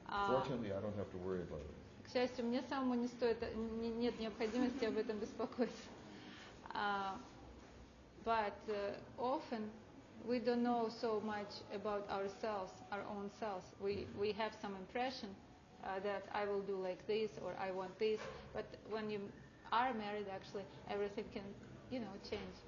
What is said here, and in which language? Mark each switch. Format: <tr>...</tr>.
<en>fortunately, I don't have to worry about it.</en> <ru>К счастью, мне самому не стоит, нет необходимости об этом беспокоиться.</ru> <en>But often we don't know so much about ourselves, our own selves. We have some impression. That I will do like this or I want this, but when you are married, actually everything can, you know, change.</en>